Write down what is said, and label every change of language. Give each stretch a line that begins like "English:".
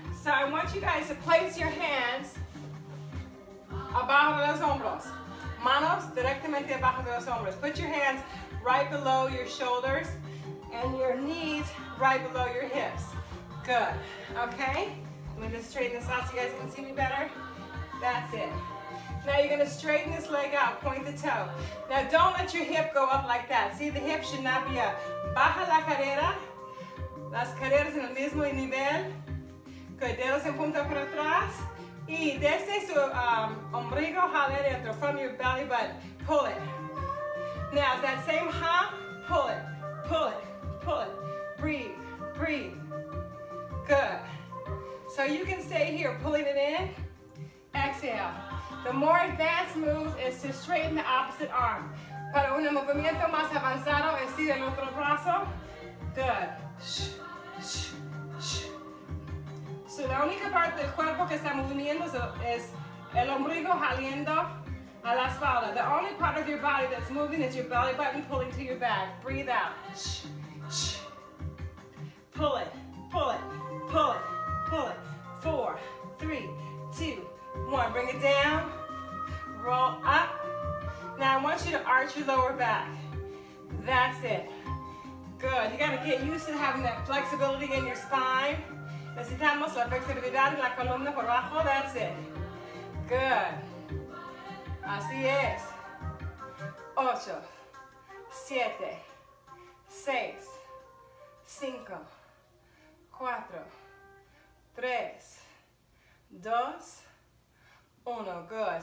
English: So I want you guys to place your hands
Spanish: abajo de los hombros,
English: manos directamente abajo de los hombros, put your hands right below your shoulders, and your knees right below your hips. Good, okay? I'm gonna straighten this out so you guys can see me better. That's it. Now you're gonna straighten this leg out, point the toe. Now don't let your hip go up like that. See, the hip should not be up.
Spanish: Baja la cadera, las caderas en el mismo nivel. Good, dedos en punta para atrás. Y desde su ombligo, jale dentro,
English: from your belly button, pull it. Now, that same hop, pull it, pull it, pull it. Breathe, breathe. Good. So you can stay here, pulling it in. Exhale. The more advanced move is to straighten the opposite arm.
Spanish: Para un movimiento más avanzado, estira el otro brazo. Good. Shh, shh, shh. So la única parte del cuerpo que está moviendo es el ombligo jaliendo. A la espalda.
English: The only part of your body that's moving is your belly button pulling to your back. Breathe out. Shh, shh. Pull it, pull it, pull it, pull it. Four, three, two, one. Bring it down. Roll up. Now I want you to arch your lower back. That's it. Good. You gotta get used to having that flexibility in your spine.
Spanish: Necesitamos la flexibilidad en la columna por abajo.
English: That's it. Good.
Spanish: Así es. Ocho, siete, seis, cinco, cuatro, tres, dos, uno. Good.